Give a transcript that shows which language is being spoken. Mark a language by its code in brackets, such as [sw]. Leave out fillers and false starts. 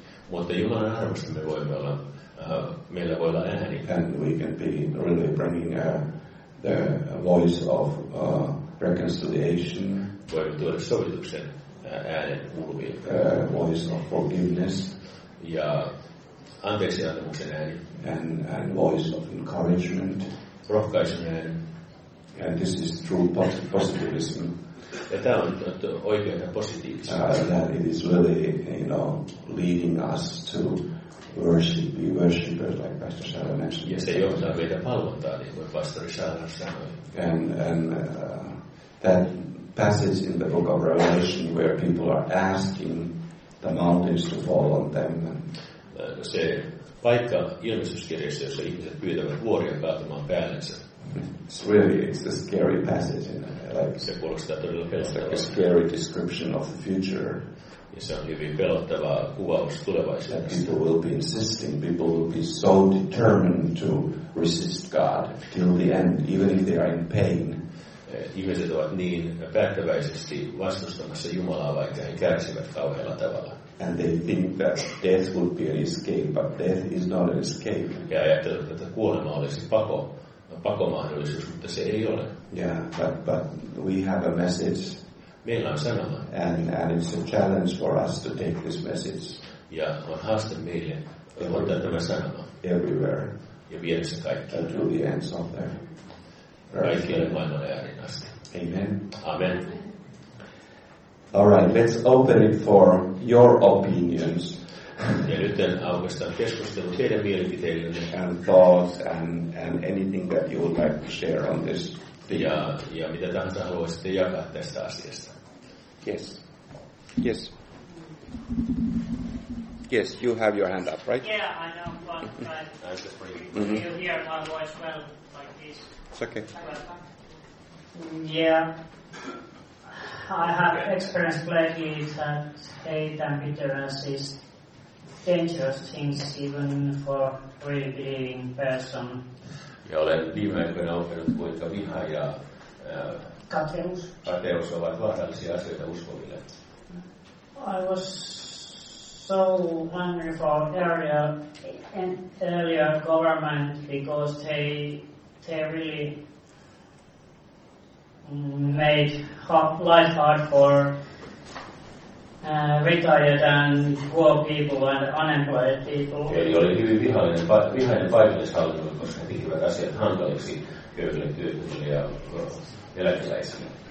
[fi] Mutta Jumalan armosta me voimme olla, meillä voi olla ääni. [en] And we can be really bringing the voice of reconciliation. [fi] Voimme tuoda sovituksen äänen kuuluviin. [en] Voice of forgiveness. [fi] Ja anteeksi antamuksen ääni. [en] And voice of encouragement. [fi] Rohkaisun ääni. [en] And this is true positivism. [fi] Ja tämä on oikeaa positiivista. [en] That it is really, you know, leading us to worship, be worshippers, like Pastor Shara mentioned. [fi] Ja se johtaa meitä palvontaa, niin kuin Pastor Shara sanoi. [en] And that passage in the book of Revelation where people are asking the mountains to fall on them. [fi] Se paikka Ilmestyskirjassa, jossa ihmiset pyytävät vuoria kaatumaan päällensä. [en] It's really, it's a scary passage, in like [fi] se kuulostaa todella pelottavaa. [en] A scary description of the future. [fi] Ja se on hyvin pelottava kuvaus tulevaisuudesta. [en] People will be insisting, people will be so determined to resist God till the end, even if they are in pain. [fi] Ihmiset ovat niin päättäväisesti vastustamassa Jumalaa, vaikka he kärsivät kauhealla tavalla. [en] And they think that death would be an escape, but death is not an escape. [fi] Ja ajattelevat, että kuolema olisi pako. Pakomahdollisuus, mutta se ei ole. [en] Yeah, but we have a message. [fi] Meillä on sanoma. [en] And it's a challenge for us to take this message. [fi] Ja on haaste meille ottaa tämä sanoma. [en] Everywhere. [fi] Ja viedä se kaikki. [en] Until the ends of the earth. [fi] Kaikille maailman äärin asti. [en] Amen. [fi] Amen. [en] All right, let's open it for your opinions. [fi] Ja nyt aukaistaan keskustelu teidän mielipiteillenne. [en] And thoughts and anything that you would like to share on this. [fi] Ja mitä tahansa haluaisitte jakaa tästä asiasta. [en] Yes. Yes. Yes, you have your hand up, right? Yeah, I know, but I'm just bringing it. You'll hear my voice well, like this. It's okay. Yeah. I have experienced plenty that hate and bitterness is dangerous things even for really believing person. [fi] Ja olen viime aikoina oppinut, kuinka viha ja kateus ovat vaarallisia asioita uskoville. [en] I was so angry for area and earlier government because they really made life hard for retired and poor people and unemployed people. [fi] Eli oli hyvin vihainen paikallishallinnon, koska he tekivät asiat hankaliksi köyhille työttömille ja eläkeläisille.